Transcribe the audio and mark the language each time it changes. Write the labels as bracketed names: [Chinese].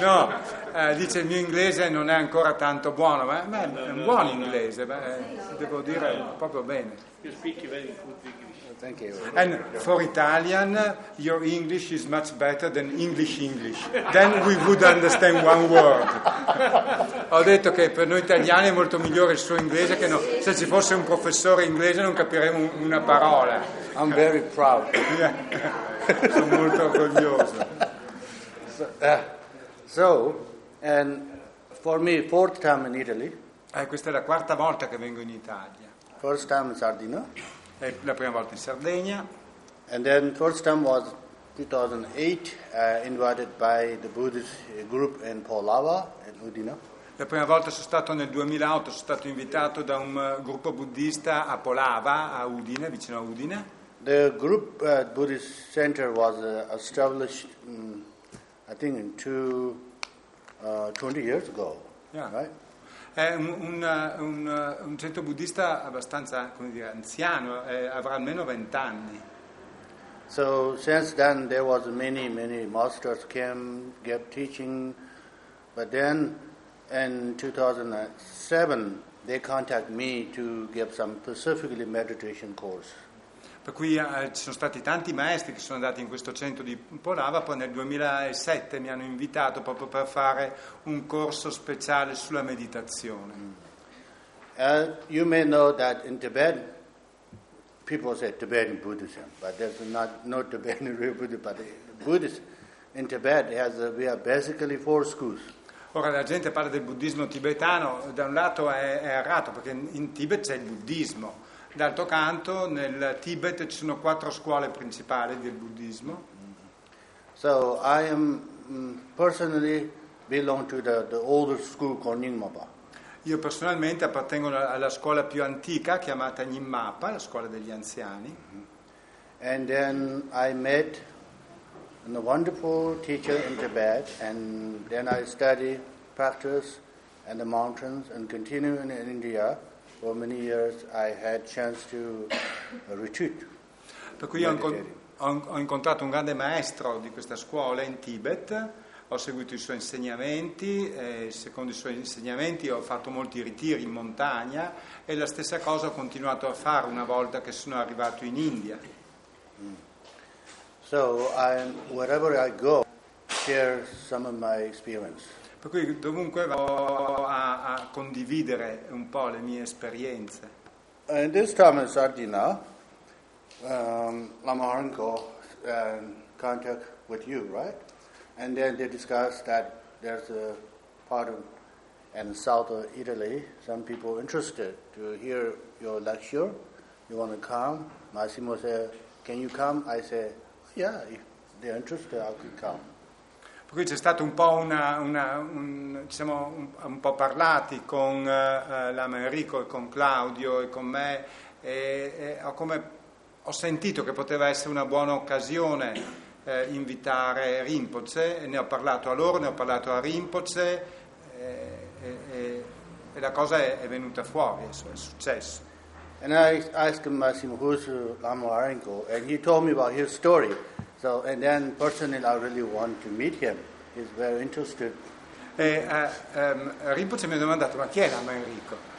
[Italian] No, dice il mio inglese non è ancora tanto buono, ma è un buon inglese, devo dire proprio bene. [English] You speak very good English. Thank you. And for Italian, your English is much better than English. Then we would understand one word. [Italian] Ho detto che per noi italiani è molto migliore il suo inglese che no. Se ci fosse un professore inglese non capiremmo una parola. [English] I'm very proud. [Italian] Yeah. Sono molto orgoglioso. [English] So, and for me, fourth time in Italy. [Italian] Questa è la quarta volta che vengo in Italia. [English] First time in Sardegna. [Italian] È la prima volta in Sardegna. [English] And then first time was 2008, invited by the Buddhist group in Polava, in Udine. [Italian] La prima volta sono stato nel 2008, sono stato invitato da un gruppo buddista a Polava, a Udine, vicino a Udine. [English] The group Buddhist center was established, I think, in 20 years ago. Yeah. Right? [Italian] È un centro buddista abbastanza, come dire, anziano, avrà almeno 20 anni. [English] So since then there was many masters came, gave teaching, but then in 2007 they contacted me to give some specifically meditation course. [Italian] Per cui ci sono stati tanti maestri che sono andati in questo centro di Polava, poi nel 2007 mi hanno invitato proprio per fare un corso speciale sulla meditazione. [English] You may know that in Tibet people say Tibetan Buddhism, but there's not Tibetan real Buddhism, but Buddhism in Tibet we have basically four schools. [Italian] Ora la gente parla del buddismo tibetano, da un lato è errato perché in Tibet c'è il buddismo. D'altro canto, nel Tibet ci sono quattro scuole principali del buddismo. [English] So I am personally belong to the older school called Nyingmapa. [Italian] Io personalmente appartengo alla scuola più antica chiamata Nyingmapa, la scuola degli anziani. [English] And then I met a wonderful teacher in Tibet, and then I study practice and the mountains and continue in India. For many years I had chance to retreat. [Italian] Per cui ho incontrato un grande maestro di questa scuola in Tibet, ho seguito i suoi insegnamenti e secondo i suoi insegnamenti ho fatto molti ritiri in montagna e la stessa cosa ho continuato a fare una volta che sono arrivato in India. [English] So wherever I go share some of my experience. [Italian] Per cui dovunque vado a condividere un po' le mie esperienze. [English] In this time in Sardegna, Lama Hrinko contact with you, right? And then they discuss that there's a part of in south of Italy, some people interested to hear your lecture. You want to come? Massimo said, can you come? I say, yeah, if they're interested, I could come. [Italian] Qui c'è stato un po' un po' parlati con Lama Enrico e con Claudio e con me e ho sentito che poteva essere una buona occasione invitare Rinpoche e ne ho parlato a loro, ne ho parlato a Rinpoche e la cosa è venuta fuori, è successo. [English] And I asked Massimo who's Lama Enrico and he told me about his story. So and then personally I really want to meet him. Is very interested. [Italian] Rinpoche mi ha domandato ma chi è Lama Enrico?